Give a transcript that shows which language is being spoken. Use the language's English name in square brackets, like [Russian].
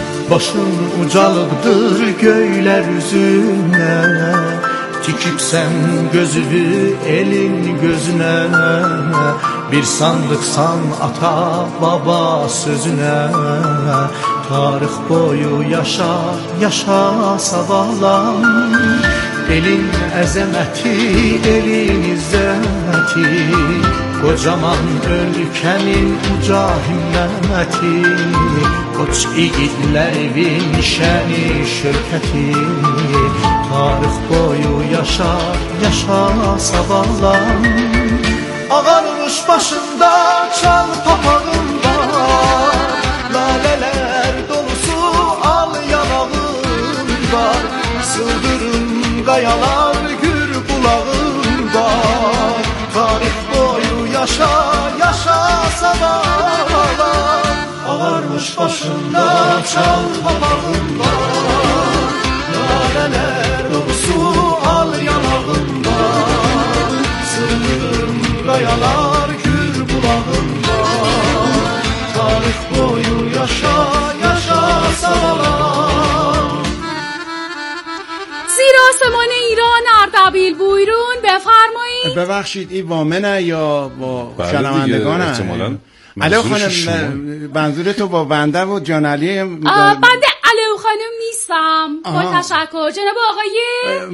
[Azerbaijani] Başın ucalıbdır göyler üzüne, tikipsen gözünü elin gözüne, bir sandıksan ata baba sözüne, tarih boyu yaşa yaşa sabahlan. Elin əzəməti, elin izzəməti, qocaman ölkənin uca himməməti, qoç iqidlərin şəni şövkəti, tarih boyu yaşar, yaşama sabahlar. Ağarmış başında çal papağında, laleler dolusu al yanağında, sıldırım kayalar gür bulağında, tarih boyu yaşar. Ağarmış başında çal papağında, laleler dolusu al yanağında, sığırım kayalar gür bulağında, tarih boyu yaşa yaşa sabahlar. [Persian] آسمان ایران اردبیل بویرون بفرمایید. ببخشید این با منه یا با شنوندگانه؟ علو خانم منظور تو با بنده و جان علی؟ بنده علو خانم نیستم. با تشکر جناب آقای